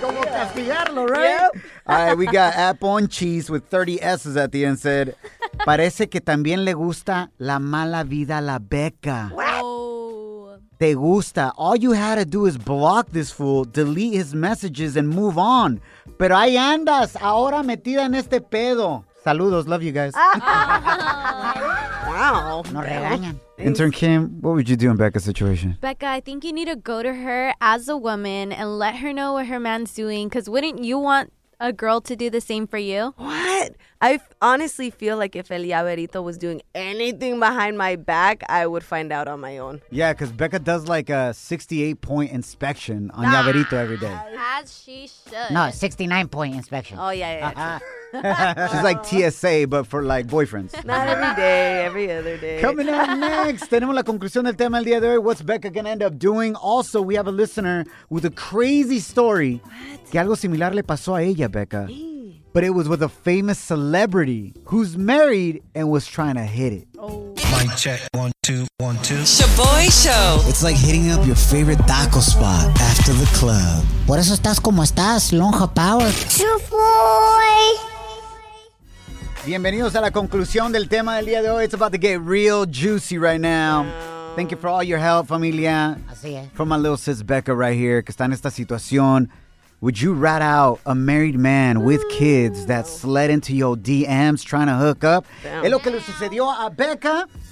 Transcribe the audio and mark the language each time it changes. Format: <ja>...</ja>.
<es>Como castigarlo,</es> <en>right? Yep. All right, we got Apple Cheese with 30 S's at the end said,</en> <es>parece que también le gusta la mala vida a la Becca.</es> <en>What?</en> <es>Te gusta.</es> <en>All you had to do is block this fool, delete his messages, and move on.</en> <es>Pero ahí andas, ahora metida en este pedo. Saludos,</es> <en>love you guys. Wow.</en> <es>No regañan.</es> <en>Intern Kim, what would you do in Becca's situation? Becca, I think you need to go to her as a woman and let her know what her man's doing, because wouldn't you want a girl to do the same for you? What? I honestly feel like if El Yaverito was doing anything behind my back, I would find out on my own. Yeah, because Becca does like a 68-point inspection on Yaverito every day. As she should. No, 69-point inspection. Oh, yeah, yeah, true. She's like TSA, but for like boyfriends. Not every day, every other day. Coming up next,</en> <es>tenemos la conclusión del tema el día de hoy.</es> <en>What's Becca going to end up doing? Also, we have a listener with a crazy story. What?</en> <es>Que algo similar le pasó a ella, Becca.</es> <en>Hey. but it was with a famous celebrity who's married and was trying to hit it. Oh. Mic check, 1, 2, 1, 2. Shaboy Show. It's like hitting up your favorite taco spot after the club.</en> <es>Por eso estás como estás, lonja power.</es> <en>Shaboy.</en> <es>Bienvenidos a la conclusión del tema del día de hoy.</es> <en>It's about to get real juicy right now. Thank you for all your help, familia.</en> <es>Así es.</es> <en>From my little sis Becca right here,</en> <es>que está en esta situación.</es> <en>Would you rat out a married man with kids that slid into your DMs trying to hook up? Damn.</en> <es>Es lo que le sucedió a Becca.</es>